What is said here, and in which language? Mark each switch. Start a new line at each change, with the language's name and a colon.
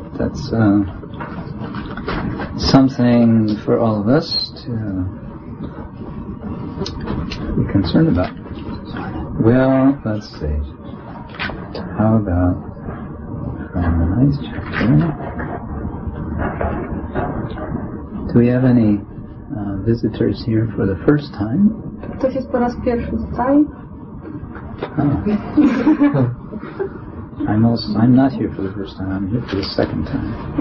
English: That's something for all of us to be concerned about. Well, let's see. How about from the ninth chapter? Do we have any visitors here for the first time?
Polish: Ktoś jest po raz pierwszy tutaj?
English: I'm not here for the first time, I'm here for the second time.